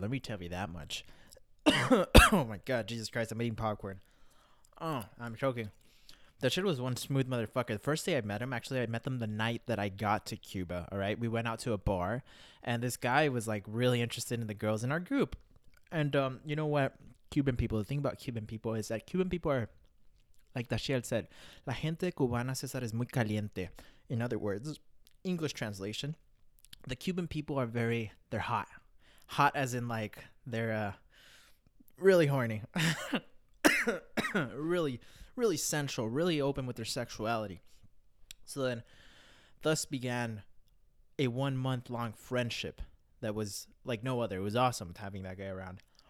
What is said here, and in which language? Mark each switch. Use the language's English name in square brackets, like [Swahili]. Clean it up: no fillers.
[English] Let me tell you that much. Oh my God. Jesus Christ. I'm eating popcorn. Oh, I'm choking. Dashiel was one smooth motherfucker. The first day I met him, actually, I met them the night that I got to Cuba. All right. We went out to a bar. And this guy was like really interested in the girls in our group. And you know what? Cuban people. The thing about Cuban people is that Cuban people are... Like Dashiel said, [Spanish] la gente cubana, César, es muy caliente. [English] In other words, English translation, the Cuban people are very, they're hot. Hot as in, like, they're really horny. Really, really sensual, really open with their sexuality. So then, thus began a one-month-long friendship that was like no other. It was awesome having that guy around.